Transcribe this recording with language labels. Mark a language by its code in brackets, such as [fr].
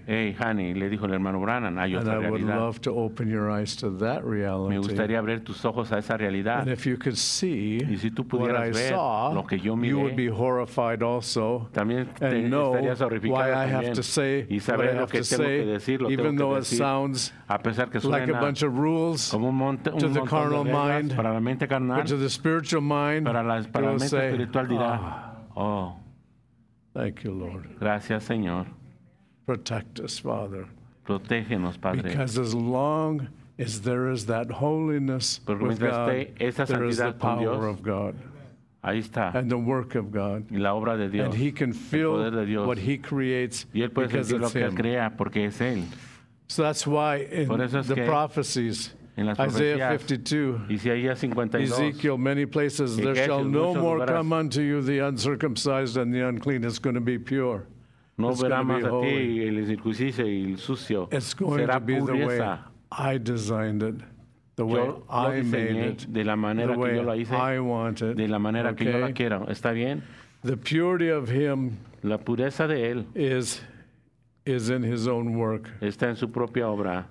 [en] Hey, honey, [es] le dijo el hermano Branham, hay otra realidad. [en] And I would love to open your eyes to that reality. [es] Me gustaría abrir tus ojos a esa realidad. [en] And if you could see [es] y si tú pudieras [en] what I [es] ver [en] saw, [es] lo que yo miré, [en] you would be horrified also [es] también te [en] and know [es] estarías horrificado [en] why [es] también. [en] I have to say [es] y saber [en] what I have [es] lo que [en] to say, [es] que decir, lo [en] even though [es] decir, [en] it sounds [es] a pesar que suena [en] like a bunch of rules [es] como un [en] to the carnal [es] reglas, [en] mind, [es] para la mente carnal, [en] but to the spiritual mind, [es] para la mente espiritual dirá, oh, [en] thank you, Lord. [es] Gracias, Señor. [en] Protect us, Father. [es] Protégenos, Padre. [en] Because as long as there is that holiness [es] porque [en] with God, [es] esa [en] there is the power [es] Dios. [en] Of God. [es] Ahí está. [en] And the work of God. [es] Y la obra de Dios. [en] And he can feel what he creates [es] y él puede [en] because [es] sentir lo [en] it's [es] que [en] him. [es] Crea porque es él. [en] So that's why in [es] es [en] the prophecies, Isaiah 52, Ezekiel, many places, there shall no more come unto you the uncircumcised and the unclean. It's going to be pure. [es] No verá más a ti el incircunciso y el sucio. [en] It's going to be the way I designed it, the way I made it, [es] de la manera que yo lo hice, [en] I want it, [es] de la manera que yo la quiero. ¿Está bien? [en] The purity of him [es] la pureza de él [en] is in his own work. [es] Está en su propia obra.